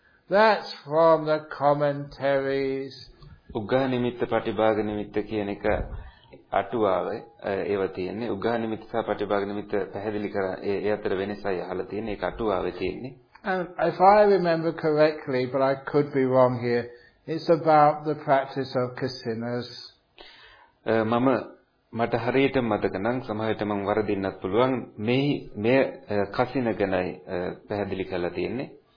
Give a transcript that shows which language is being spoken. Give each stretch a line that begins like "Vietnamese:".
English: That's from the commentaries.
Sinhala: Ugahan nimitta, pati bhaga nimitta කියන එක අටුවාවේ ඒව තියෙන්නේ. ugahan nimitta සහ pati bhaga nimitta පැහැදිලි කර ඒ අතර වෙනසයි අහලා තියෙන්නේ. ඒක අටුවාවේ තියෙන්නේ.
English: And if I remember correctly, but I could be wrong here, it's about the practice of kasinas.
Sinhala: මම මට හරියට මතක නම් සමහරවිට මම වරදින්නත් පුළුවන් මේ මේ කසින ගැනයි පැහැදිලි කරලා තියෙන්නේ.